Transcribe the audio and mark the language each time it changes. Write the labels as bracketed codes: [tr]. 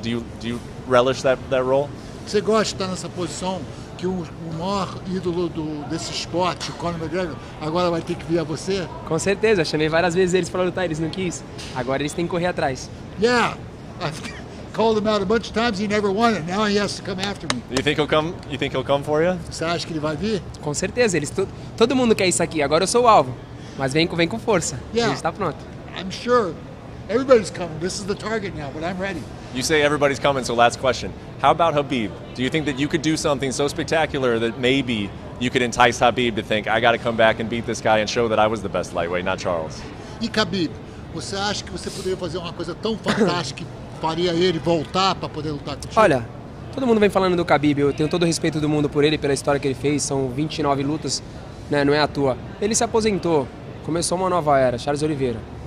[en] Do you relish that role? [pt] Você gosta de estar nessa posição? Que o maior ídolo desse esporte, o Conor McGregor, agora vai ter que vir a você? Com certeza, chamei várias vezes eles para lutar, eles não quis. Agora eles têm que correr atrás. [en] Yeah, I've called him out a bunch of times, he never won it. Now he has to come after me. You think he'll come for you? [pt] Você acha que ele vai vir? Com certeza, todo mundo quer isso aqui, agora eu sou o alvo. Mas vem com força, yeah. A gente está pronto. [en] I'm sure, everybody's coming, this is the target now, but I'm ready. You say everybody's coming, so last question. How about Khabib? Do you think that you could do something so spectacular that maybe you could entice Khabib to think, I got to come back and beat this guy and show that I was the best lightweight, not Charles? [pt] E Khabib, você acha que você poderia fazer uma coisa tão fantástica que faria ele voltar para poder lutar contigo? Olha, todo mundo vem falando do Khabib. Eu tenho todo o respeito do mundo por ele, pela história que ele fez. São 29 lutas, né? Não é à toa. Ele se aposentou. Começou uma nova era. Charles Oliveira.